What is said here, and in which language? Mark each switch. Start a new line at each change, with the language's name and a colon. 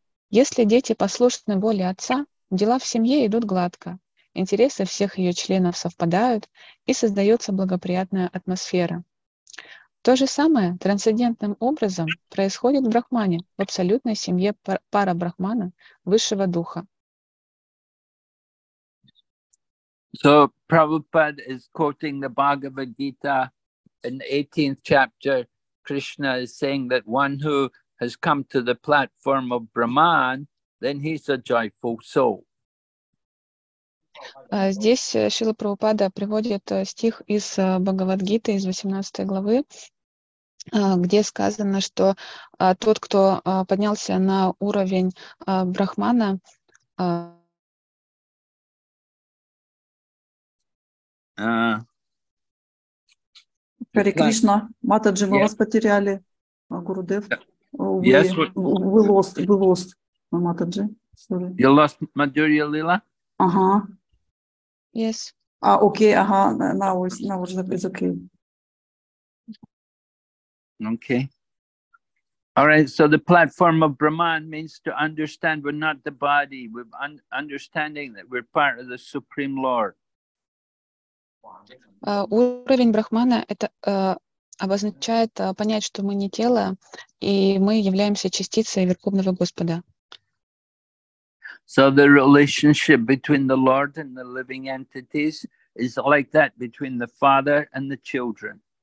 Russian: Если дети послушны воле отца, дела в семье идут гладко, интересы всех ее членов совпадают, и создается благоприятная атмосфера. То же самое трансцендентным образом происходит в Брахмане, в абсолютной семье Парабрахмана, Высшего Духа.
English: So, Prabhupada is quoting the Bhagavad Gita in the 18th chapter. Krishna is saying that one who has come to the platform of Brahman, then he's a joyful soul.
Russian: Здесь Шрила Прабхупада приводит стих из Бхагавад-гиты, из 18 главы, где сказано, что тот, кто поднялся на уровень Брахмана, Харе Кришна, Матаджи, мы вас потеряли, Гурудев, вы лост, Матаджи.
English: You lost Madhurya Lila?
Russian: Ага.
English: Yes. Okay, now it's okay. Okay. All right, so the platform of Brahman means to understand we're not the body, we're understanding that we're part of the Supreme Lord.
Russian: Уровень Брахмана – это обозначает понять, что мы не тело, и мы являемся частицей Верховного Господа.
English: So the relationship between the Lord and the living entities is like that between the father and the children.